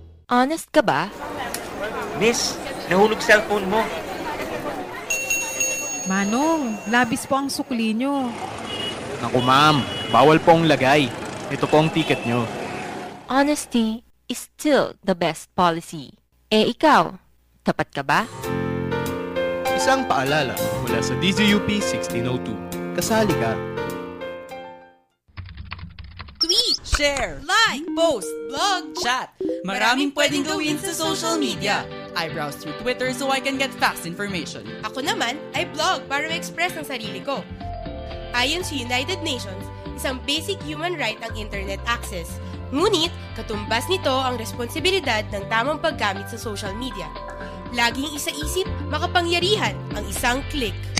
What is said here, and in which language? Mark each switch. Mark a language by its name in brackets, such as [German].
[Filipino] honest ka ba? Miss, nahulog cellphone mo. Manong, labis po ang sukli nyo. Naku ma'am, bawal po ang lagay. Ito po ang ticket nyo. [English] Honesty is still the best policy. [Filipino] Eh ikaw, tapat ka ba? Isang paalala mula sa DZUP 1602. Kasali ka. Share, like, post, blog, chat. Maraming pwedeng gawin sa social media. [English] I browse through Twitter so I can get fast information. [Filipino] Ako naman ay blog para ma-express ang sarili ko. Ayon sa United Nations, isang basic human right ang internet access. Ngunit, katumbas nito ang responsibilidad ng tamang paggamit sa social media. Laging isaisip, makapangyarihan ang isang click.